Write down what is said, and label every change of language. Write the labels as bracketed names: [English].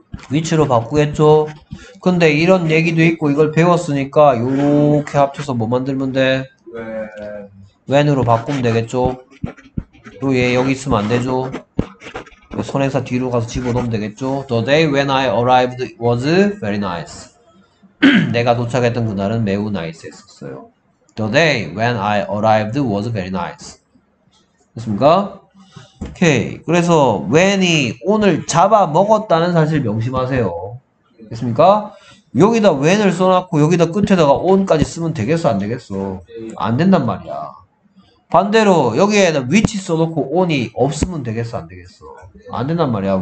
[Korean] 위치로 바꾸겠죠? 근데 이런 얘기도 있고 이걸 배웠으니까 요렇게 합쳐서 뭐 만들면 돼? when으로 바꾸면 되겠죠? 또얘 여기 있으면 안 되죠? 선행사 뒤로 가서 집어넣으면 되겠죠? [English] The day when I arrived was very nice. [Korean] 내가 도착했던 그날은 매우 nice 했었어요. [English] The day when I arrived was very nice. [Korean] 됐습니까? 오케이. 그래서 when이 오늘 잡아먹었다는 사실 명심하세요. 됐습니까? 여기다 when을 써놓고 여기다 끝에다가 on까지 쓰면 되겠어 안 되겠어? 안 된단 말이야. 반대로 여기에다 which 써놓고 on이 없으면 되겠어 안 되겠어? 안 된단 말이야.